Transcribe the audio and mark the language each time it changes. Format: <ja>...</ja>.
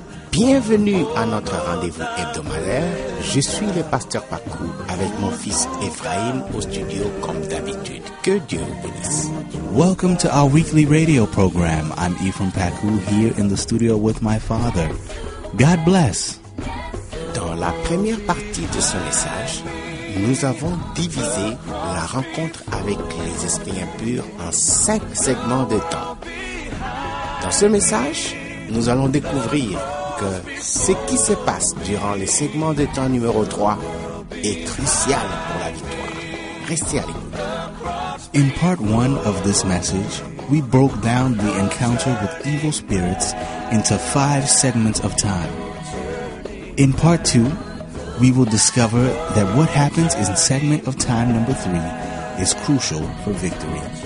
<fr>Bienvenue à notre rendez-vous hebdomadaire. Je suis le pasteur Pacou avec mon fils Ephraim au studio comme d'habitude. Que Dieu vous bénisse.</fr> <en>Welcome to our weekly radio program. I'm Ephraim Pacou here in the studio with my father. God bless.</en> <fr>Dans la première partie de ce message, nous avons divisé la rencontre avec les esprits impurs en 5 segments de temps. Dans ce message, nous allons découvrir que ce qui se passe durant les segments de temps numéro 3 est crucial pour la victoire. Restez à l'écoute.</fr> <en>In part 1 of this message, we broke down the encounter with evil spirits into 5 segments of time. In part 2, we will discover that what happens in segment of time number 3 is crucial for victory.</en>